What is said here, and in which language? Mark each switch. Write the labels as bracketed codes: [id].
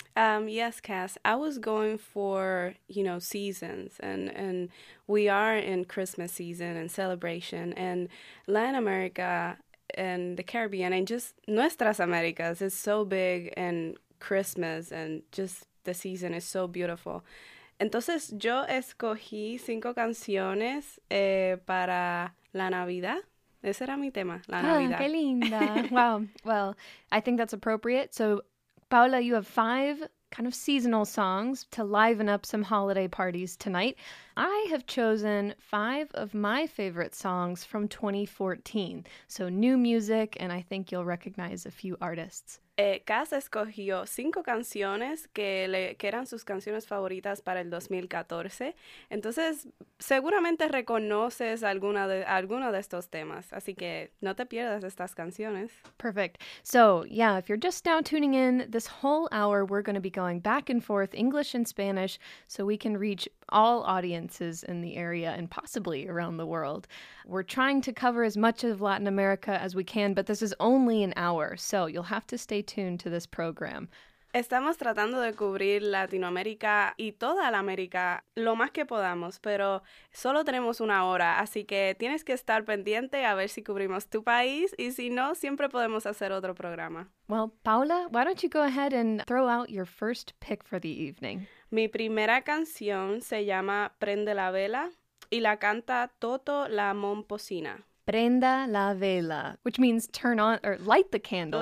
[en] Yes, Cass. I was going for, you know, seasons. And we are in Christmas season and celebration. And Latin America and the Caribbean and just Nuestras Américas is so big and Christmas and just the season is so beautiful. [es] Entonces, yo escogí cinco canciones para la Navidad. Ese era mi tema, la Navidad. ¡Qué linda! [en] Wow. Well, I think that's appropriate. So, Paola, you have five kind of seasonal songs to liven up some holiday parties tonight. I have chosen five of my favorite songs from 2014. So, new music, and I think you'll recognize a few artists. [es] Cass escogió cinco canciones que eran sus canciones favoritas para el 2014. Entonces, seguramente reconoces alguno de estos temas. Así que no te pierdas estas canciones. [en] Perfect. So, yeah, if you're just now tuning in, this whole hour we're going to be going back and forth, English and Spanish, so we can reach all audiences in the area and possibly around the world. We're trying to cover as much of Latin America as we can, but this is only an hour, so you'll have to stay tuned to this program. [es] Estamos tratando de cubrir Latinoamérica y toda la América lo más que podamos, pero solo tenemos una hora, así que tienes que estar pendiente a ver si cubrimos tu país, y si no, siempre podemos hacer otro programa. [en] Well, Paola, why don't you go ahead and throw out your first pick for the evening? [es] Mi primera canción se llama Prende la Vela, y la canta Toto la Momposina. [en] Prenda la Vela, which means turn on or light the candle,